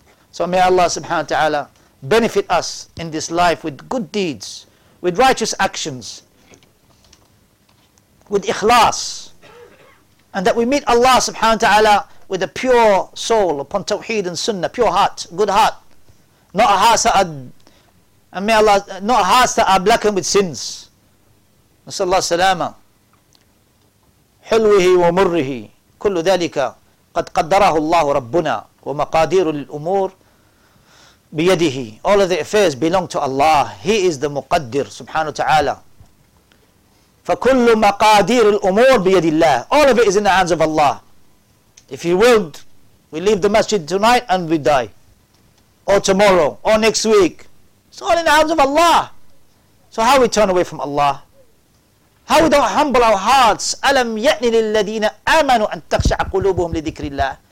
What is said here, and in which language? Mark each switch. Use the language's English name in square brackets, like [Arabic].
[English] So may Allah subhanahu wa ta'ala benefit us in this life with good deeds, with righteous actions, with ikhlas, and that we meet Allah subhanahu wa ta'ala with a pure soul upon tawheed and sunnah, pure heart, good heart, not a heart that and may Allah not a heart that are blackened with sins. Masallah salama. [Arabic] حلوه ومره كل ذلك قد قدره الله ربنا ومقادير الأمور بيده. [English] All of the affairs belong to Allah. He is the [Arabic] مقدر سبحانه وتعالى. فكل مقادير الأمور بيد الله. [English] All of it is in the hands of Allah. If He willed, we leave the masjid tonight and we die, or tomorrow, or next week. It's all in the hands of Allah. So how we turn away from Allah? How we don't humble our hearts? [Arabic] أَلَمْ يَأْنِ لِلَّذِينَ آمَنُوا أَن تَخْشَعَ قُلُوبُهُمْ لِذِكْرِ اللَّهِ.